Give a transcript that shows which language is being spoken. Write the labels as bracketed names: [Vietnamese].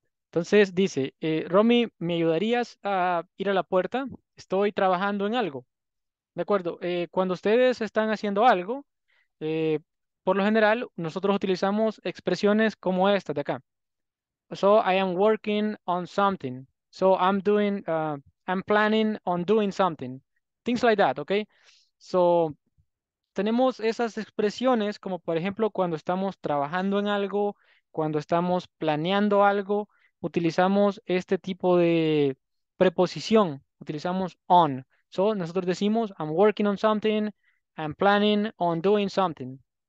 [Spanish] Entonces dice, Romy, ¿me ayudarías a ir a la puerta? Estoy trabajando en algo. De acuerdo, cuando ustedes están haciendo algo, por lo general, nosotros utilizamos expresiones como esta de acá. [English] So I am working on something. So I'm doing, I'm planning on doing something. Things like that, okay? [Spanish] So tenemos esas expresiones como, por ejemplo, cuando estamos trabajando en algo, cuando estamos planeando algo, utilizamos este tipo de preposición, utilizamos on. [English] So [Spanish] nosotros decimos, [English] I'm working on something, I'm planning on doing something.